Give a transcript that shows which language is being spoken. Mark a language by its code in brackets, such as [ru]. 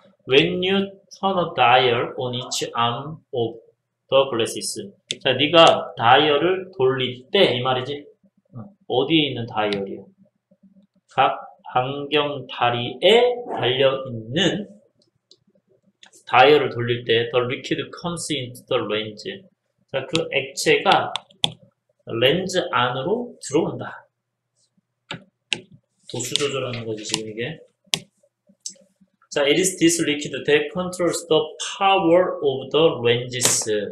[en] When you turn a dial on each arm of the glasses. [ko] 자, 네가 다이얼을 돌릴 때이 말이지. 어디에 있는 다이얼이요? 각 안경 다리에 달려 있는 다이얼을 돌릴 때, [en] the liquid comes into the lens. [ko] 자, 그 액체가 렌즈 안으로 들어온다. 도수 조절하는 거지, 지금 이게. 자, [en] it is this liquid that controls the power of the lenses.